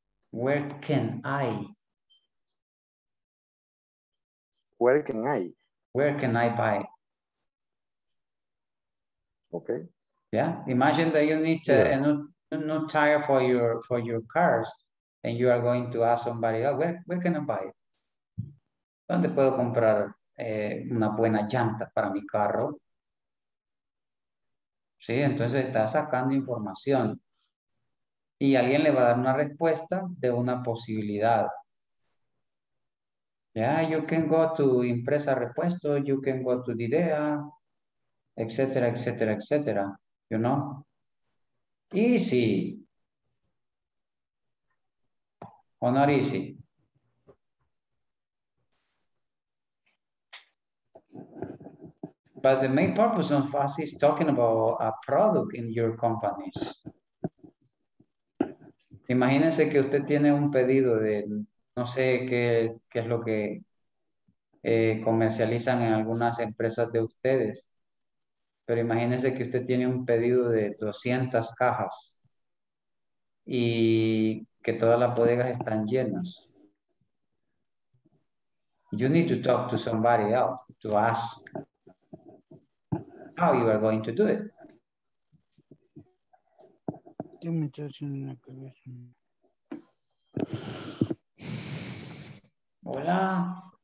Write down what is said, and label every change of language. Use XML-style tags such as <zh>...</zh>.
<en>Where can I buy? Okay. Yeah. Imagine that you need a new tire for your cars, and you are going to ask somebody, oh, where can I buy it?</en> <es>¿Dónde puedo comprar una buena llanta para mi carro? Sí, entonces está sacando información. Y alguien le va a dar una respuesta de una posibilidad.</es> <en>Yeah, you can go to Impresa Repuesto, you can go to Didea, etc., etc., etc., you know? Easy. Or not easy? But the main purpose of us is talking about a product in your companies.</en> <es>Imagínense que usted tiene un pedido de no sé qué es lo que comercializan en algunas empresas de ustedes. Pero imagínense que usted tiene un pedido de 200 cajas y que todas las bodegas están llenas.</es> <en>You need to talk to somebody else to ask how you are going to do it.</en> <es>Hola.</es>